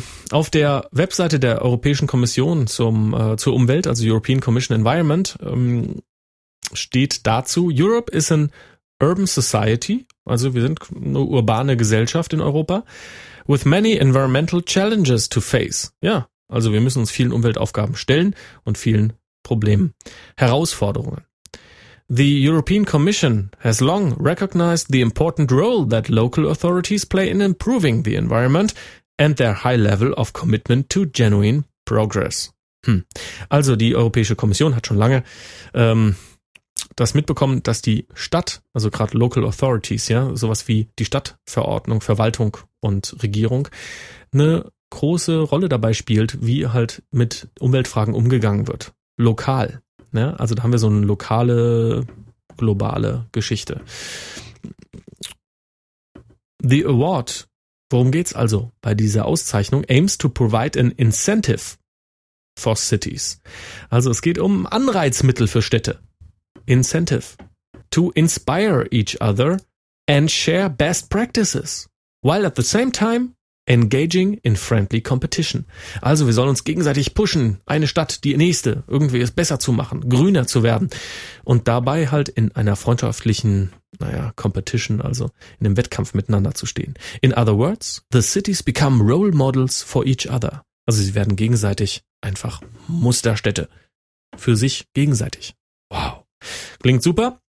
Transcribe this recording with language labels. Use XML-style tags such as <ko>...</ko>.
<de>Auf der Webseite der Europäischen Kommission zur Umwelt, also European Commission Environment, steht dazu,</de> <en>Europe is an urban society,</en> <de>also wir sind eine urbane Gesellschaft in Europa,</de> <en>with many environmental challenges to face.</en> <de>Ja, also wir müssen uns vielen Umweltaufgaben stellen und vielen Problemen, Herausforderungen.</de> <en>The European Commission has long recognized the important role that local authorities play in improving the environment and their high level of commitment to genuine progress.</en> <de>Also die Europäische Kommission hat schon lange das mitbekommen, dass die Stadt, also gerade Local Authorities, ja, sowas wie die Stadtverordnung, Verwaltung und Regierung, eine große Rolle dabei spielt, wie halt mit Umweltfragen umgegangen wird. Lokal. Ja, also da haben wir so eine lokale, globale Geschichte.</de> <en>The Award.</en> <de>Worum geht's also bei dieser Auszeichnung?</de> <en>Aims to provide an incentive for cities.</en> <de>Also es geht um Anreizmittel für Städte. Incentive.</de> <en>To inspire each other and share best practices. While at the same time engaging in friendly competition.</en> <de>Also wir sollen uns gegenseitig pushen, eine Stadt, die nächste, irgendwie es besser zu machen, grüner zu werden. Und dabei halt in einer freundschaftlichen, Competition, also in einem Wettkampf miteinander zu stehen.</de> <en>In other words, the cities become role models for each other.</en> <de>Also sie werden gegenseitig einfach Musterstädte. Für sich gegenseitig. Wow. Klingt super.</de>